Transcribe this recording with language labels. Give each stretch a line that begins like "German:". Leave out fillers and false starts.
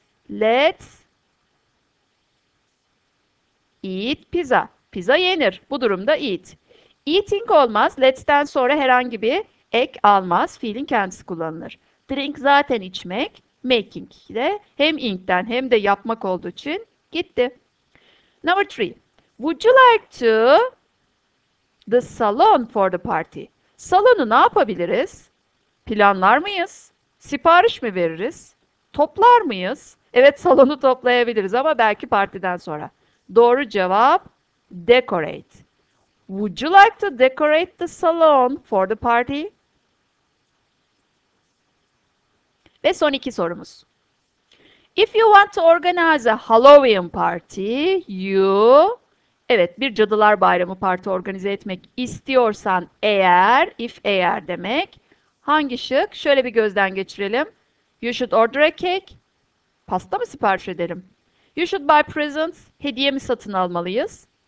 English: Let's eat pizza.
Turkish: Pizza yenir. Bu durumda eat. Eating olmaz. Let's'ten sonra herhangi bir ek almaz. Fiilin kendisi kullanılır. Drink zaten içmek. Making de hem ink'ten hem de yapmak olduğu için gitti.
English: Number three. Would you like to the salon for the party?
Turkish: Salonu ne yapabiliriz? Planlar mıyız? Sipariş mi veririz? Toplar mıyız? Evet, salonu toplayabiliriz ama belki partiden sonra. Doğru cevap decorate.
English: Would you like to decorate the salon for the party?
Turkish: Ve son iki sorumuz.
English: If you want to organize a Halloween party, you...
Turkish: Evet, bir cadılar bayramı parti organize etmek istiyorsan eğer, if eğer demek. Hangi şık? Şöyle bir gözden geçirelim.
English: You should order a cake.
Turkish: Pasta mı sipariş edelim?
English: You should buy presents.
Turkish: Hediye mi satın almalıyız?